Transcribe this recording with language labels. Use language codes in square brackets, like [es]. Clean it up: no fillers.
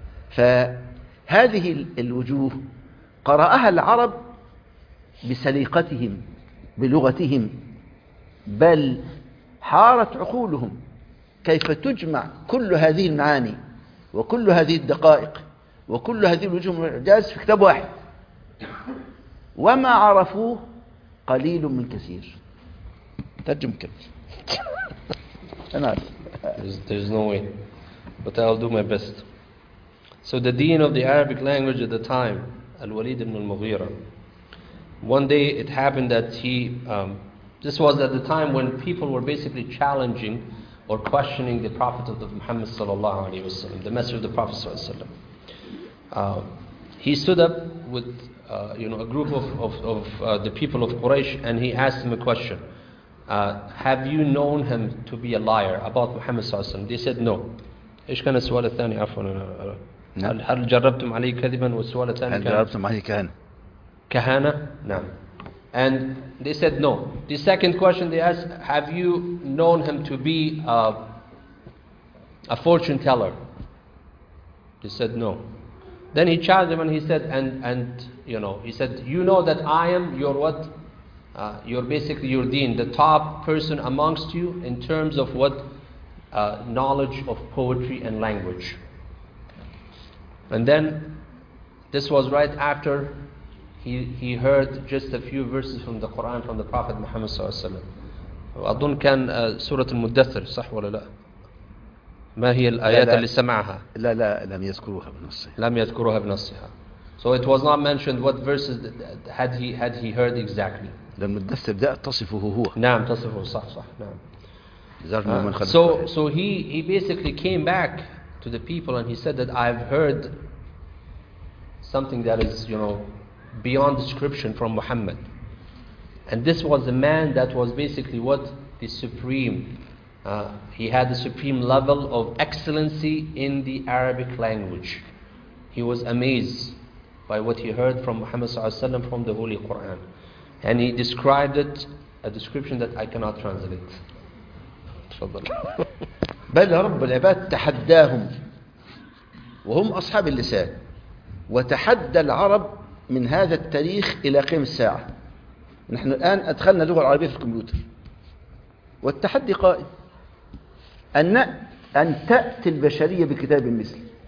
[ar] فهذه الوجوه قرأها العرب بسليقتهم بلغتهم, بل حارت عقولهم كيف تجمع كل هذه المعاني وكل هذه الدقائق وكل هذه الوجوه من الإعجاز في كتاب واحد, وما عرفوه قليل من كثير. ترجم كده. أنا عارف. [en] There's no way, but I'll do my best. So the dean of the Arabic language at the time, Al-Walid ibn al-Mughira, one day it happened that he, this was at the time when people were basically challenging or questioning the Prophet of Muhammad sallallahu alayhi wa sallam, the message of the Prophet sallallahu alayhi wa sallam. He stood up with a group of the people of Quraysh, and he asked him a question. Have you known him to be a liar about Muhammad sallallahu alayhi wa sallam? They said no. [ar] هل جربتم عليه كذبا والسؤال الثاني كان هل جربتم عليه كهانة كهانة نعم. [en] And they said no. The second question they asked: have you known him to be a fortune teller? They said no. Then he challenged him and he said, and he said, you know that I am your what? You're basically your deen, the top person amongst you in terms of what knowledge of poetry and language. And then, this was right after he heard just a few verses from the Quran from the Prophet Muhammad sallallahu alaihi wasallam. [ar] أظن كان سورة المدثر صح ولا لا؟ ما هي الآيات اللي سمعها؟ لا لا لم يذكروها بنصها. لم يذكروها بنصها. [en] So it was not mentioned what verses had he heard exactly. [ar] لما المدثر بدأ تصفه هو. نعم تصفه صح صح نعم. [en] So he basically came back to the people and he said that I've heard something that is, you know, beyond description from Muhammad. And this was a man that was basically what the supreme, he had the supreme level of excellency in the Arabic language. He was amazed by what he heard from Muhammad sallallahu alaihi wasallam from the Holy Quran. And he described it, a description that I cannot translate. [ar] بل رب العباد تحداهم وهم أصحاب اللسان وتحدى العرب من هذا التاريخ إلى قيام الساعة. نحن الآن أدخلنا اللغة العربية في الكمبيوتر والتحدي قائم أن تأتي البشرية بكتاب مثلي.